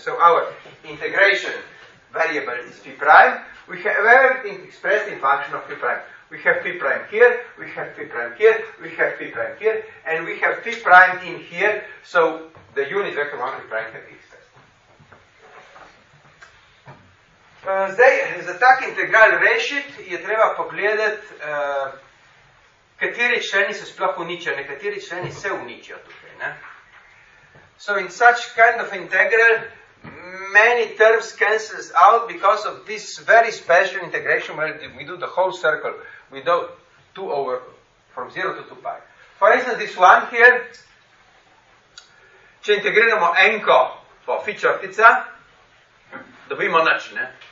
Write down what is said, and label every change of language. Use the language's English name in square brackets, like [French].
[English] So, our integration variable is phi prime. We have everything expressed in function of phi prime. We have phi prime here, we have phi prime here, we have phi prime here, and we have phi prime in here, so the unit vector 1 phi prime can be expressed. [Slovenian] Zdaj, za tak integral rešit je treba pogledati, kateri členi se sploh uničijo, nekateri členi se uničijo tukaj. Ne? [English] So in such kind of integral, many terms cancels out because of this very special integration where we do the whole circle. We do 2 over, from 0 to 2 pi. For instance, this one here, [Slovenian] če integriramo enko po phi črtica, dobimo nič, ne?